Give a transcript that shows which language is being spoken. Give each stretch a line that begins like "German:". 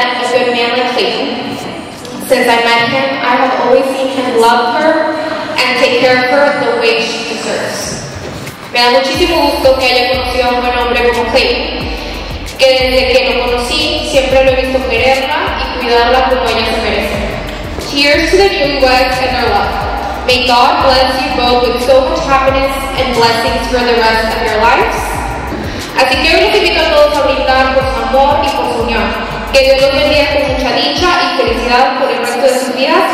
English: Since I met him, I have always seen him love her and take care of her the way she deserves.
Spanish: Me da muchísimo gusto que haya conocido a un buen hombre como Clayton, que desde que lo conocí siempre lo he visto quererla y cuidarla como ella se merece.
English: Cheers to the newlyweds and their love. May God bless you both with so much happiness and blessings for the rest of your lives.
Spanish: Así que hoy los invito a todos a brindar por su amor y por su unión. Que Dios los bendiga con mucha dicha y felicidad por el resto de sus vidas.